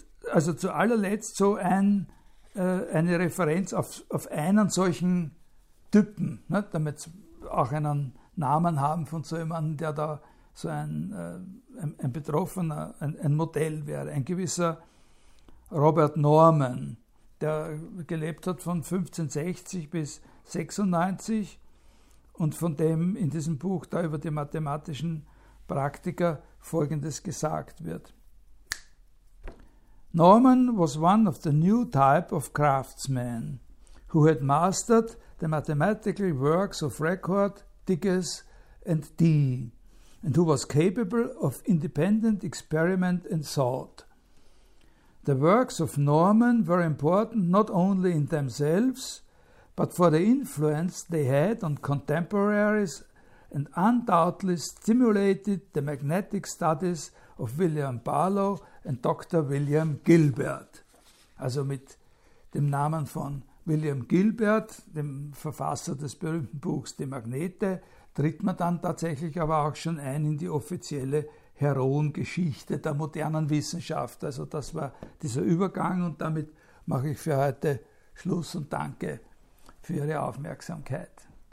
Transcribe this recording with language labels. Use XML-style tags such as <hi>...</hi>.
<de>Also zu allerletzt so eine Referenz auf einen solchen Typen, ne, damit wir auch einen Namen haben von so jemandem, der da so ein Betroffener, ein Modell wäre, ein gewisser Robert Norman, der gelebt hat von 1560 bis 96 und von dem in diesem Buch da über die mathematischen Praktiker Folgendes gesagt wird.</de> <en>Norman was one of the new type of craftsmen who had mastered the mathematical works of Record, Digges and Dee, and who was capable of independent experiment and thought. The works of Norman were important not only in themselves, but for the influence they had on contemporaries and undoubtedly stimulated the magnetic studies of William Barlow and Dr. William Gilbert.</en> <de>Also mit dem Namen von William Gilbert, dem Verfasser des berühmten Buchs Die Magnete, tritt man dann tatsächlich aber auch schon ein in die offizielle Heroengeschichte der modernen Wissenschaft. Also das war dieser Übergang und damit mache ich für heute Schluss und danke für Ihre Aufmerksamkeit.</de>